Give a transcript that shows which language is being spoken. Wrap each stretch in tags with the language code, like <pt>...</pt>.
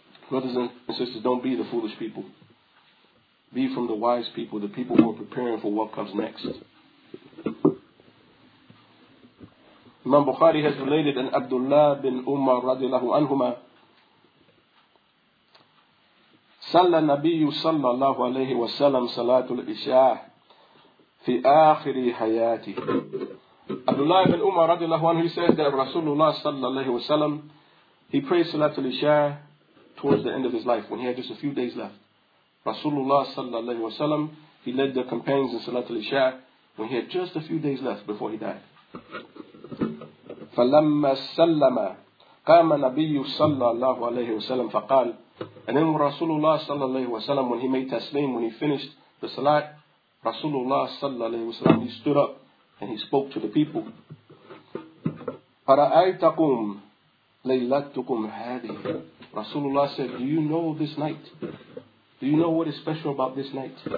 <en>Brothers and sisters, don't be the foolish people. Be from the wise people, the people who are preparing for what comes next. Imam Bukhari has related an Abdullah bin Umar radiallahu anhuma.</en> <ar>صلى النبي صلى الله عليه وسلم صلاة العشاء في آخر حياته.</ar> <en>Abdullah ibn Umar radiallahu anhu, he says that Rasulullah</en> <ar>صلى الله عليه وسلم,</ar> <en>he prayed صلاة العشاء towards the end of his life, when he had just a few days left. Rasulullah</en> <ar>صلى الله عليه وسلم,</ar> <en>he led the companions in صلاة العشاء when he had just a few days left before he died.</en> <ar>فلما سلم قام النبي صلى الله عليه وسلم فقال.</ar> <en>And then Rasulullah sallallahu alayhi wa sallam, when he made taslim, when he finished the salat, Rasulullah sallallahu alayhi wa sallam, he stood up and he spoke to the people.</en> <ar>Ara'aytakum laylatukum hadhi.</ar> <en>Rasulullah said, do you know this night? Do you know what is special about this night?</en>